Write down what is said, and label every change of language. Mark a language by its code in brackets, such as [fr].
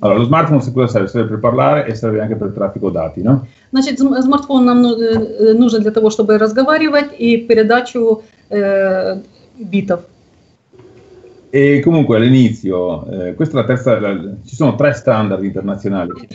[it] Allora, смартфон serve per parlare e serve anche per traffico dati, no? [ru] Значит, смартфон нам нужен для того, чтобы разговаривать и передачу битов. [it] E comunque all'inizio, questa è la terza, ci sono tre standard internazionali.